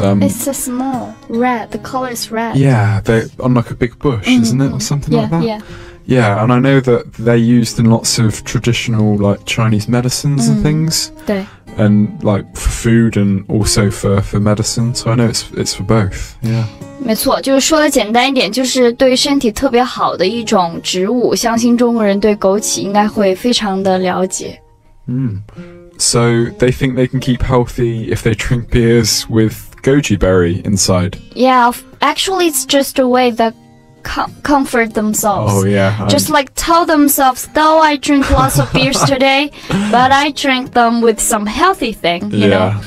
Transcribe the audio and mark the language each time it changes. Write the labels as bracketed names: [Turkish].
[English] It's so small. Red. The color is red. Yeah, they're on like a big bush, isn't it? Or something like that. Yeah, and I know that they're used in lots of traditional, like, Chinese medicines and things. And, like, for food and also for medicine. So I know it's for both, yeah. [Chinese] 没错，就是说的简单一点，就是对身体特别好的一种植物，相信中国人对枸杞应该会非常的了解。 [English] So they think they can keep healthy if they drink beers with goji berry inside. Yeah, actually it's just a way that comfort themselves. Oh yeah. Just like tell themselves, though I drink lots of beers today, but I drink them with some healthy thing, you know.